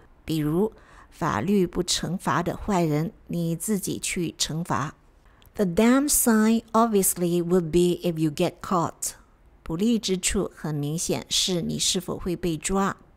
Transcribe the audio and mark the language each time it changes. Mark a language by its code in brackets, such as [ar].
[zh] 比如，法律不惩罚的坏人，你自己去惩罚。 [en] The downside obviously would be if you get caught. [zh] 不利之处很明显是你是否会被抓。